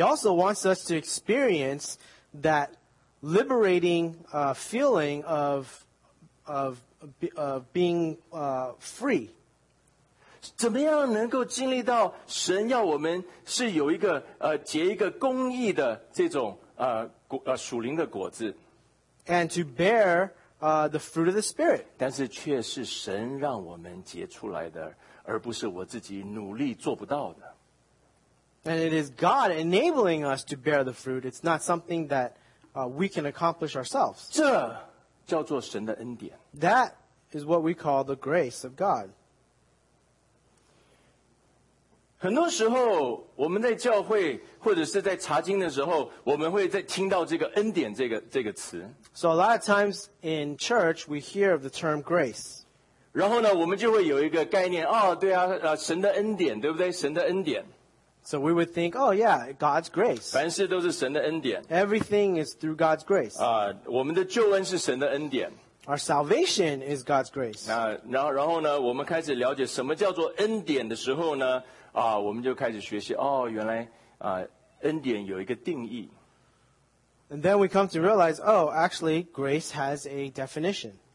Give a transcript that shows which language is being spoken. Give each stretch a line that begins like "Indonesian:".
English: also wants us to experience that liberating feeling of being free.
Chinese: 怎么样能够经历到神要我们是有一个 结一个公义的这种属灵的果子？
English: And to bear the fruit of the Spirit.
Chinese: 但是却是神让我们结出来的，而不是我自己努力做不到的。
English: And it is God enabling us to bear the fruit. It's not something that we can accomplish ourselves.
Chinese: 这叫做神的恩典。
English: That is what we call the grace of God.
Chinese: 很多时候我们在教会或者是在查经的时候我们会在听到这个恩典这个词
English: So a lot of times in church we hear of the term grace.
Chinese: 然后呢我们就会有一个概念哦对啊神的恩典对不对神的恩典
English: So we would think, oh yeah, God's grace.
Chinese: 凡事都是神的恩典。
English: Everything is through God's grace.
Chinese: 我们的救恩是神的恩典。
English: Our salvation is God's grace.
Chinese: 然后呢我们开始了解什么叫做恩典的时候呢 我们就开始学习,原来恩典有一个定义。
English: And then we come to realize, oh, actually, grace has a definition.